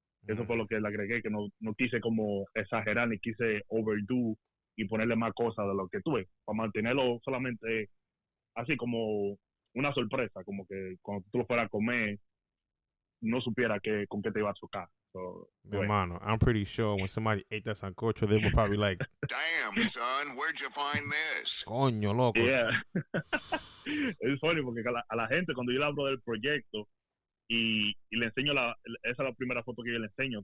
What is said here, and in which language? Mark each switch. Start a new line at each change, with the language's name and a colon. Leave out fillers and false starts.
Spanish: Eso fue lo que le agregué, que no quise como exagerar, ni quise overdo y ponerle más cosas de lo que tuve, para mantenerlo solamente así como una sorpresa, como que cuando tú lo fueras a comer, no supiera que, con qué te iba a chocar.
English: So,
Spanish: mi hermano,
English: I'm pretty sure when somebody ate that sancocho, they were probably like, damn, son, where'd you find this?
Spanish: Coño, loco.
English: Yeah.
Spanish: Es funny, porque a la gente, cuando yo le hablo del proyecto, Y le enseño esa es la primera foto que yo le enseño.